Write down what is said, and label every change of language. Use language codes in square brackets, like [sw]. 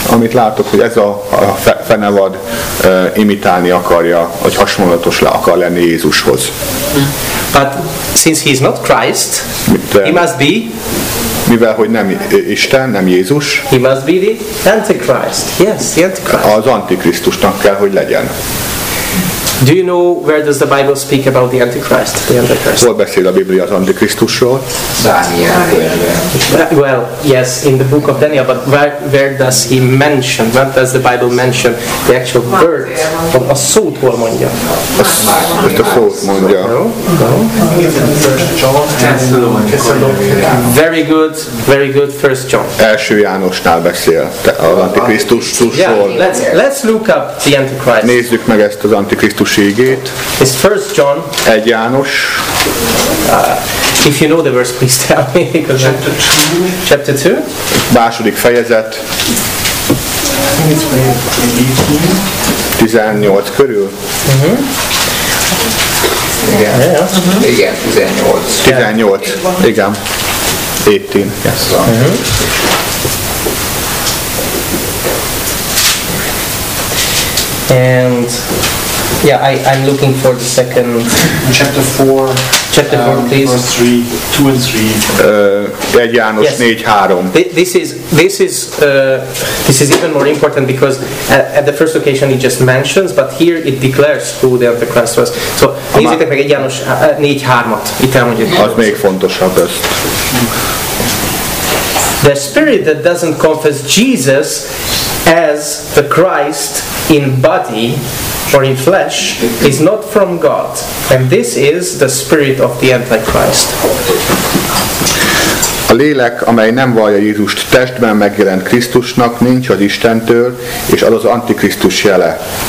[hu] Amit látok, hogy ez a fenevad imitálni akarja, hogy hasonlatos le akar lenni Jézushoz. [en] But since he is not Christ, he must be. [hu] Mivel hogy nem Isten, nem Jézus. [en] He must be the Antichrist. Yes, the Antichrist. [hu] Az Antikrisztusnak kell, hogy legyen. [en] Do you know where does the Bible speak about the Antichrist? The Antichrist. [hu] Hol beszél a Biblia az Antikrisztusról? Dániel. [en] Well, yes, in the book of Daniel, but where does he mention? What does the Bible mention? The actual word. [hu] A szót hol mondja? A szót mondja. [en] No. Very good, very good. First John. [hu] Első Jánosnál beszél az Antikrisztusról. [en] Yeah, let's look up the Antichrist. [hu] Nézzük meg ezt az Antikrisztus. [en] It's First John. [hu] Egy János. [en] If you know the verse, please tell me. Chapter 2. [hu] Második fejezet. 18 körül. Mm-hmm. Igen. [en] Yeah. [hu] Igen, 18. 18. Igen. 18. [en] Yes. [hu] Mm-hmm. [en] Yes. And yeah, I'm looking for the second chapter 4, please. Verse 2 and 3. [hu] János 4:3. [en] This is even more important because at the first occasion it just mentions, but here it declares who the Antichrist was. [hu] So nézzétek meg János 4:3-at. Itt elmondjuk. Az még fontosabb ezt. [en] The spirit that doesn't confess Jesus as the Christ in body or in flesh is not from God, and this is the spirit of the Antichrist. [hu] A lélek, amely nem vallja Jézust testben megjelent Krisztusnak, nincs az Istentől, és az az Antikrisztus jele.